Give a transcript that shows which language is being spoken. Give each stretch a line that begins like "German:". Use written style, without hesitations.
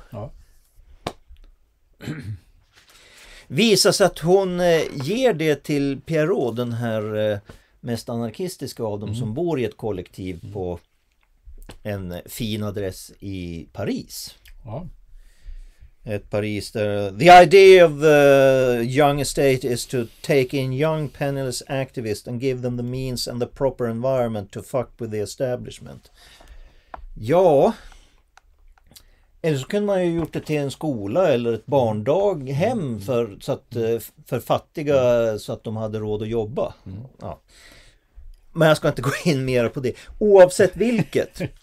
Swedish: Ja. Visas att hon ger det till Pierrot, den här mest anarkistiska av dem som bor i ett kollektiv på en fin adress i Paris. Ja. Ett Paris där
English: the idea of the young estate is to take in young penniless activists and give them the means and the proper environment to fuck with the establishment.
Swedish: Ja, eller så kunde man ju gjort det till en skola eller ett barndaghem för fattiga så att de hade råd att jobba. Mm. Ja. Men jag ska inte gå in mer på det. Oavsett vilket.